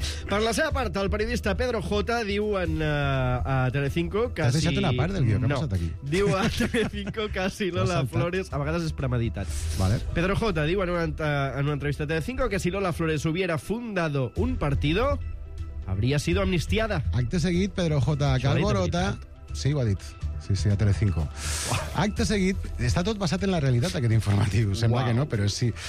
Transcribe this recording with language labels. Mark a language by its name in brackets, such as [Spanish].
[Catalan] Per la seva part, el periodista Pedro Jota diu a Telecinco que si... T'has deixat una part del guió, què ha passat aquí? Diu a Telecinco que si Lola Flores... A vegades és premeditat. Vale. Pedro Jota diu en una entrevista a Telecinco que [Spanish] si Lola Flores hubiera fundado un partido, habría sido amnistiada. [Catalan] Acte seguit, Pedro Jota Calvorota... Sí, ho ha dit. Sí, a Telecinco. Wow. Acte seguit, està tot basat en la realitat, aquest informatiu, sembla que no, però sí.